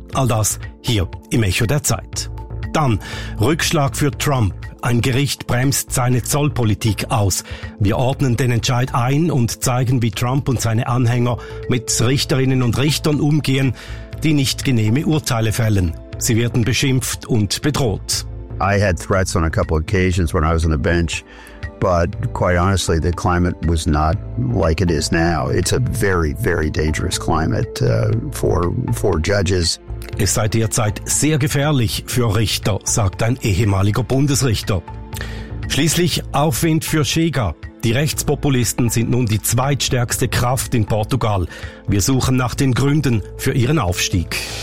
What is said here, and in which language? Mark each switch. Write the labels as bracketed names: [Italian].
[German] All das hier im Echo der Zeit. Dann Rückschlag für Trump. Ein Gericht bremst seine Zollpolitik aus. Wir ordnen den Entscheid ein und zeigen, wie Trump und seine Anhänger mit Richterinnen und Richtern umgehen, die nicht genehme Urteile fällen. Sie werden beschimpft und bedroht. [English] I had threats on a couple of occasions when I was on the bench, but quite honestly, the climate was not like it is now. It's a very, very dangerous climate for judges. [German] Es sei derzeit sehr gefährlich für Richter, sagt ein ehemaliger Bundesrichter. Schließlich Aufwind für Chega. Die Rechtspopulisten sind nun die zweitstärkste Kraft in Portugal. Wir suchen nach den Gründen für ihren Aufstieg.